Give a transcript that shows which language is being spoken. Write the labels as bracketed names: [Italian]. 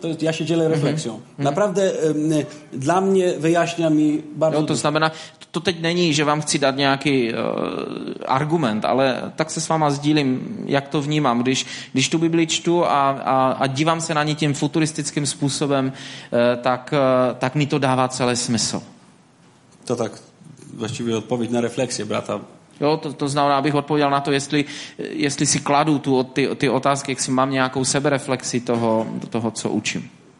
[Polish] To jest, ja się dzielę refleksją. Naprawdę dla mnie wyjaśnia mi bardzo. [Czech] No, to znamená, to teď není, že vám chci dát nějaký argument, ale tak se s váma sdílím, jak to vnímám. Když tu Biblii čtu a dívám se na ní tím futuristickým způsobem, tak mi to dává celý smysl. To tak. [Polish] Właściwie odpowiedź na refleksję brata. [Czech] Jo, to znamená, abych odpověděl na to, jestli si kladu ty otázky, jak si mám nějakou sebereflexi toho, co učím.